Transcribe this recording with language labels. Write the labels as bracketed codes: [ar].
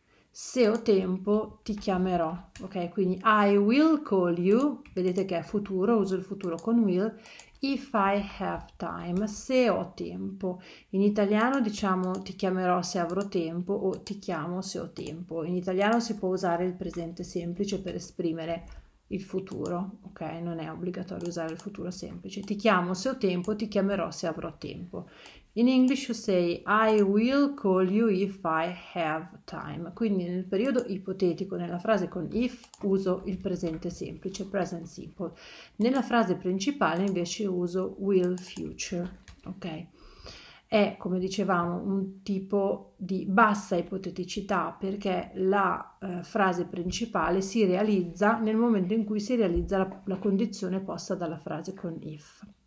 [it] Se ho tempo ti chiamerò, ok? Quindi [en] I will call you, [it] vedete che è futuro, uso il futuro con will, [en] if I have time, [it] se ho tempo. In italiano diciamo ti chiamerò se avrò tempo o ti chiamo se ho tempo. In italiano si può usare il presente semplice per esprimere il futuro, ok? Non è obbligatorio usare il futuro semplice. Ti chiamo se ho tempo, ti chiamerò se avrò tempo. [en] In English you say I will call you if I have time. [it] Quindi nel periodo ipotetico, nella frase con if, uso il presente semplice, present simple. Nella frase principale invece uso will future. Ok? È, come dicevamo, un tipo di bassa ipoteticità perché la frase principale si realizza nel momento in cui si realizza la condizione posta dalla frase con if.